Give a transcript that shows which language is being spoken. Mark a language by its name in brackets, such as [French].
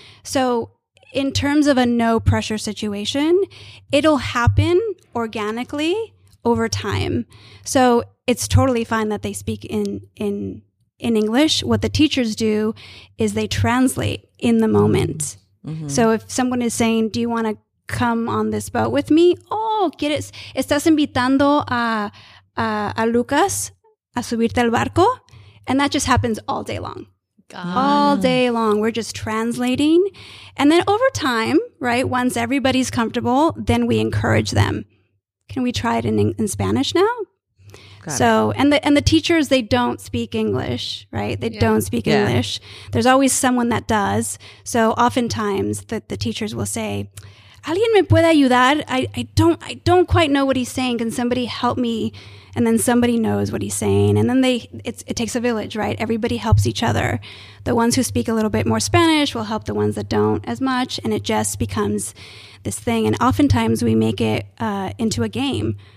[English] So in terms of a no-pressure situation, it'll happen organically over time. So it's totally fine that they speak in English. What the teachers do is they translate in the moment. Mm-hmm. So if someone is saying, do you want to come on this boat with me? [Spanish] Oh, ¿quieres? ¿Estás invitando a Lucas a subirte al barco? [English] And that just happens all day long. All day long. We're just translating. And then over time, right, once everybody's comfortable, then we encourage them. Can we try it in Spanish now? And the teachers, they don't speak English, right? They don't speak English. There's always someone that does. So oftentimes the teachers will say, [Spanish] ¿Alguien me puede ayudar? [English] I don't quite know what he's saying. Can somebody help me? And then somebody knows what he's saying. And then it takes a village, right? Everybody helps each other. The ones who speak a little bit more Spanish will help the ones that don't as much. And it just becomes this thing. And oftentimes we make it into a game.